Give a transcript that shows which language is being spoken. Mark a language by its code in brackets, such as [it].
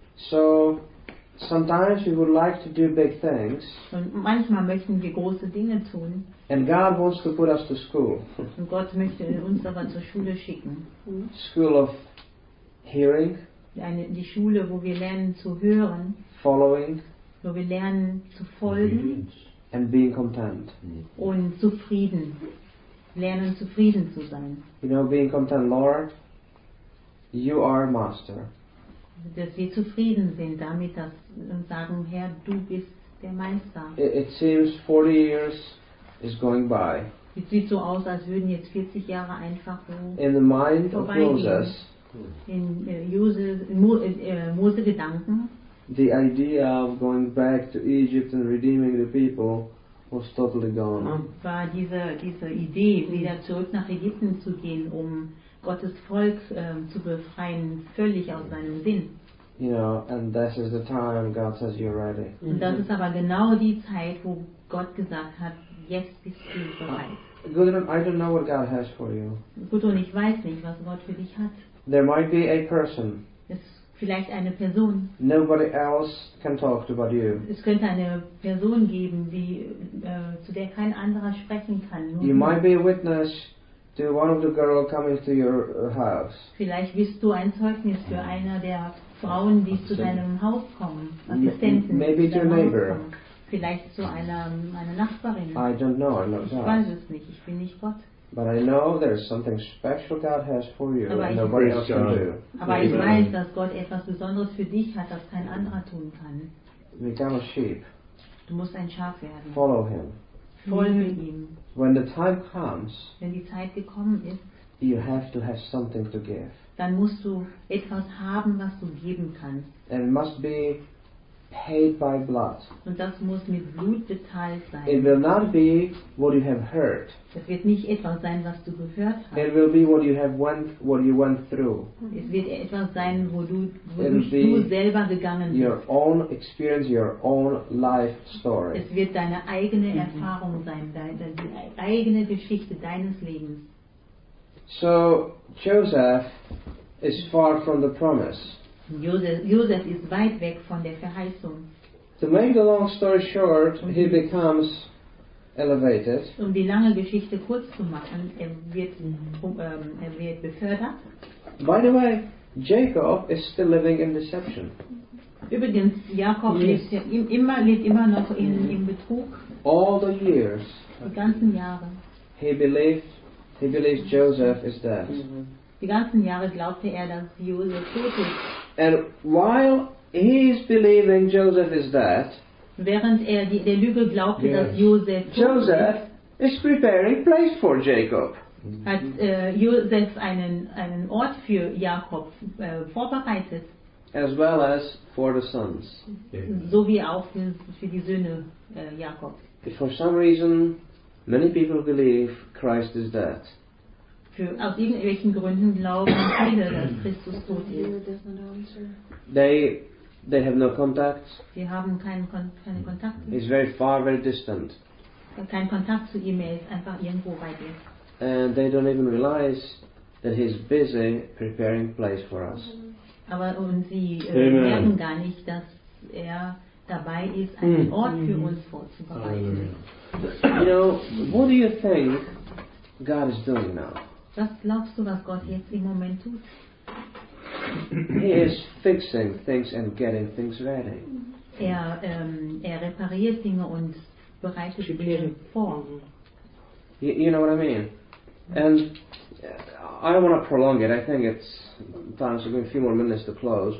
[en] So, sometimes we would like to do big things. [de] Und manchmal möchten wir große Dinge tun. [en] And God wants to put us to school. [de] Und Gott möchte uns aber zur Schule schicken. [en] School of hearing. [de] Die Schule, wo wir lernen zu hören. [en] Following. [de] Wo wir lernen zu folgen. [en] And being content. [de] Und zufrieden. Lernen zufrieden zu sein. [en] You know, being content, Lord, you are master. [de] Dass wir zufrieden sind damit, dass und sagen, Herr, du bist der Meister. [en] It seems 40 years is going by. [de] Es sieht so aus, als würden jetzt 40 Jahre einfach so [en] in the mind of Moses. [de] In Mose Gedanken. [en] The idea of going back to Egypt and redeeming the people was totally gone. [de] War diese Idee, wieder zurück nach Ägypten zu gehen, um Gottes Volk zu befreien, völlig aus seinem Sinn. [en] You know, and this is the time God says you're ready. [de] Und das ist aber genau die Zeit, wo Gott gesagt hat, jetzt bist du bereit. [en] Gudrun, I don't know what God has for you. [de] Gudrun, ich weiß nicht, was Gott für dich hat. [en] There might be a person. [de] Es ist vielleicht eine Person. [en] Nobody else can talk about you. [de] Es könnte eine Person geben, zu der kein anderer sprechen kann. [en] You might be a witness to one of the girls coming to your house. [de] Vielleicht bist du ein Zeugnis für einer der Frauen, die zu deinem Haus kommen. Assistenten. [en] Maybe to your neighbor. [de] Vielleicht zu einer Nachbarin. [en] I don't know. I'm not God. [de] Ich weiß es nicht. Ich bin nicht Gott. [en] But I know there's something special God has for you and nobody else can do. [de] Aber ich weiß, dass Gott etwas Besonderes für dich hat, das kein anderer tun kann. [en] Become a sheep. [de] Du musst ein Schaf werden. [en] Follow him. [de] Folge ihm. [en] When the time comes, [de] wenn die Zeit gekommen ist, [en] you have to have something to give. [de] Dann musst du etwas haben, was du geben kannst. [en] And it must be paid by blood. [de] Und das muss mit Blut bezahlt sein. [en] It will not be what you have heard. [de] Es wird nicht etwas sein, was du gehört hast. [en] It will be what you have went, what you went through. [de] Es wird etwas sein, wo du selber gegangen bist. [en] Your own experience, your own life story. [de] Es wird deine eigene Erfahrung sein, deine eigene Geschichte deines Lebens. [en] So Joseph is far from the promise. [de] Joseph is weit weg von der Verheißung. [en] To make the long story short, he becomes elevated. [de] Um die lange Geschichte kurz zu machen, er wird befördert. [en] By the way, Jacob is still living in deception. [de] Übrigens, Jakob lebt immer noch in Betrug. [en] All the years. [de] Die ganzen Jahre. [en] He believes Joseph is dead. Mm-hmm. [de] Die ganzen Jahre glaubte er, dass Joseph tot ist. [en] And while he is believing Joseph is dead, [de] während er der Lüge glaubte, [en] yes, [de] dass Joseph tot ist, [en] Joseph is preparing place for Jacob. [de] Hat Joseph einen Ort für Jakob vorbereitet. [en] As well as for the sons. [de] So wie auch für die Söhne Jakobs. [en] If for some reason, many people believe Christ is dead. [de] Aus irgendwelchen Gründen glauben viele, dass Christus tot ist. [en] They have no contact. [de] Sie haben keine Kontakte. [en] He's very far, very distant. [de] Kein Kontakt zu ihm, er ist einfach irgendwo weit weg. [en] And they don't even realize that he's busy preparing place for us. [de] Aber und sie merken gar nicht, dass er dabei ist, einen Ort für uns vorzubereiten. [en] You know, what do you think God is doing now? [de] Was glaubst du, was Gott jetzt im Moment tut? [en] He is fixing things and getting things ready. [de] Er repariert Dinge und bereitet sie vor. [en] You know what I mean? And I don't want to prolong it. I think it's time to give a few more minutes to close.